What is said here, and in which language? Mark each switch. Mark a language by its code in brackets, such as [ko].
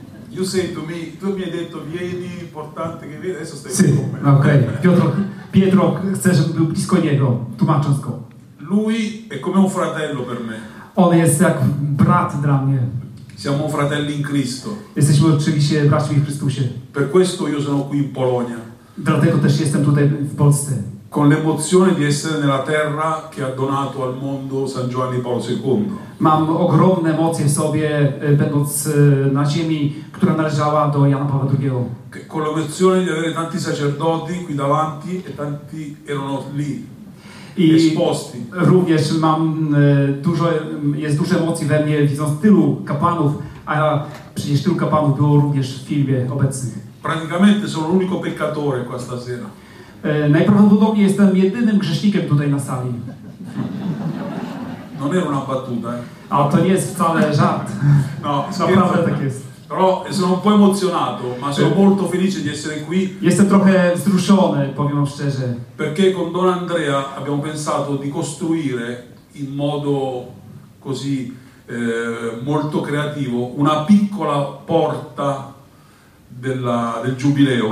[en] You say to me, [it] tu mi hai detto vieni, importante che vieni, adesso stai sì, con me. Okay. [pl] Pietro chce, żebym był blisko niego, tłumacząc go. [it] Lui è come un fratello per me. [pl] On jest jak brat dla mnie. [it] Siamo fratelli in Cristo. [pl] Jesteśmy oczywiście braćmi w Chrystusie. [it] Per questo io sono qui in Polonia. [pl] Dlatego też jestem tutaj w Polsce. [it] Con l'emozione di essere nella terra che ha donato al mondo San Giovanni Paolo II. [pl] Mam ogromne emocje w sobie, będąc na ziemi, która należała do Jana Pawła II. [it] Con l'emozione di avere tanti sacerdoti qui davanti e tanti erano lì. I esposti. [pl] Również mam dużo, jest dużo emocji we mnie, widząc tylu kapłanów, a przecież tylu kapłanów było również w filmie obecnych. [it] Praticamente sono l'unico peccatore qua stasera. [pl] Najprawdopodobniej jestem jedynym grzesznikiem tutaj na sali. [it] Non è una battuta, eh? [pl] A to nie jest wcale żart. No, naprawdę tak jest. [it] Però sono un po' emozionato, ma sono molto felice di essere qui. [pl] Jestem trochę wzruszony, powiem szczerze. [it] Perché con Don Andrea abbiamo pensato di costruire in modo così molto creativo una piccola porta del giubileo.